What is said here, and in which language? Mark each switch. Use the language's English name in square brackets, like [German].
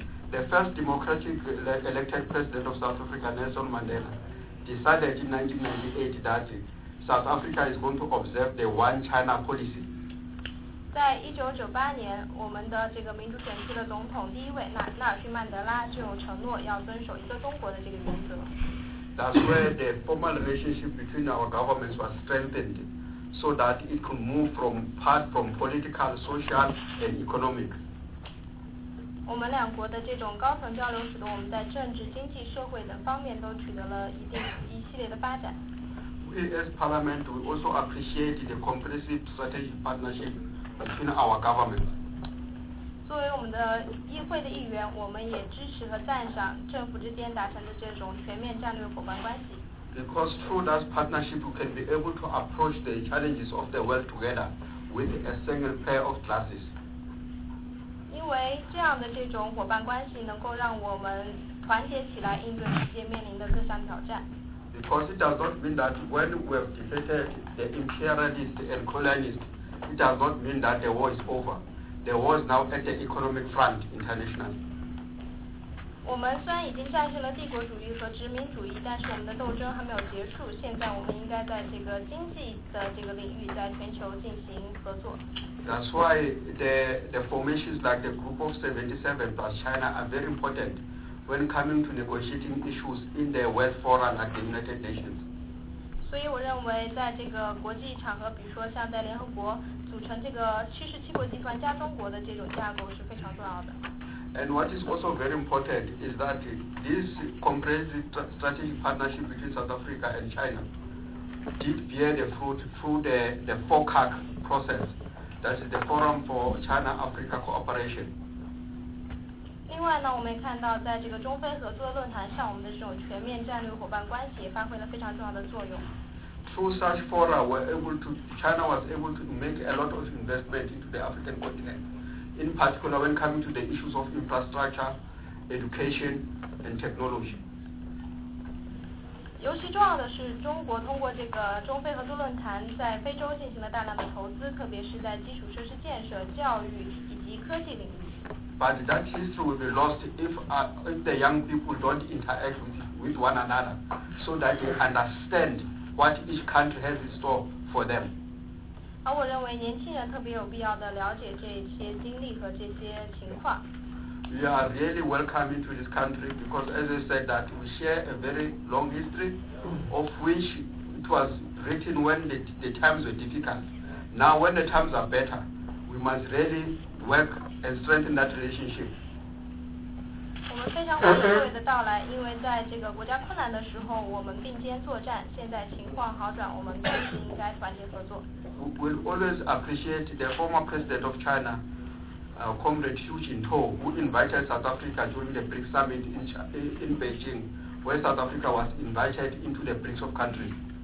[English] The first democratic elected president of South Africa, Nelson Mandela, decided in 1998 that. South Africa is going to observe the One China policy. [Chinese] 在1998年，我们的这个民主选区的总统第一位纳尔逊曼德拉就承诺要遵守一个中国的这个原则。 [English] That's where the formal relationship between our governments was strengthened, so that it could move from political, social, and economic. [Chinese] 我们两国的这种高层交流，使得我们在政治、经济、社会等方面都取得了一系列的发展。 [English] As Parliament, we also appreciate the comprehensive strategic partnership between our governments. [Chinese] 作为我们的议会的议员，我们也支持和赞赏政府之间达成的这种全面战略伙伴关系。 [English] Because through that partnership, we can be able to approach the challenges of the world together with a single pair of glasses. [Chinese] 因为这样的这种伙伴关系，能够让我们团结起来应对世界面临的各项挑战。 [English] Because it does not mean that when we have defeated the imperialists and colonists, it does not mean that the war is over. The war is now at the economic front internationally. [Chinese] 我们虽然已经战胜了帝国主义和殖民主义，但是我们的斗争还没有结束。现在我们应该在这个经济的这个领域，在全球进行合作。 [English] That's why the formations like the Group of 77 plus China are very important. When coming to negotiating issues in the world forum like the United Nations. [Chinese] 所以我认为在这个国际场合，比如说像在联合国组成这个77国集团加中国的这种架构是非常重要的。 [English] And what is also very important is that this comprehensive strategic partnership between South Africa and China did bear the fruit through the FOCAC process, that is the Forum for China-Africa Cooperation. [Chinese] 另外呢，我们也看到在这个中非合作论坛上，我们的这种全面战略伙伴关系也发挥了非常重要的作用。 [English] Through such fora, China was able to make a lot of investment into the African continent, in particular when coming to the issues of infrastructure, education, and technology. [Chinese] 尤其重要的是，中国通过这个中非合作论坛在非洲进行了大量的投资，特别是在基础设施建设、教育以及科技领域。 [English] But that history will be lost if the young people don't interact with one another so that they understand what each country has in store for them. [Chinese] 我认为年轻人特别有必要的了解这些经历和这些情况。 [English] We are really welcome to this country because, as I said, that we share a very long history, of which it was written when the times were difficult. Now, when the times are better, we must really work and strengthen that relationship. [Chinese] 我们非常欢迎各位的到来，因为在这个国家困难的时候，我们并肩作战。现在情况好转，我们更是应该团结合作。 [English] We always appreciate the former president of China, Comrade Xu Jintao, who invited South Africa during the BRICS summit in Beijing, where South Africa was invited into the BRICS of countries.